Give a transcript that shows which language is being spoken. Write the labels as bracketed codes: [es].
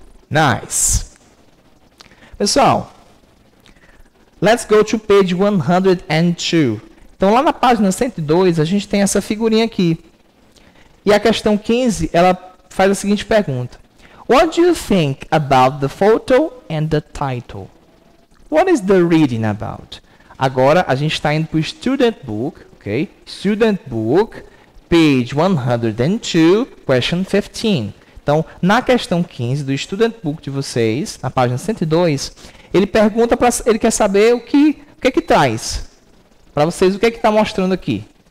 [en] Nice. Pessoal, let's go to page 102. [pt] Então, lá na página 102, a gente tem essa figurinha aqui. E a questão 15, ela faz a seguinte pergunta. [en] What do you think about the photo and the title? What is the reading about? [pt] Agora, a gente está indo para o student book, ok? [en] Student book, page 102, question 15. [pt] Então, na questão 15 do student book de vocês, na página 102, ele pergunta, ele quer saber o que é que traz para vocês, o que é que está mostrando aqui.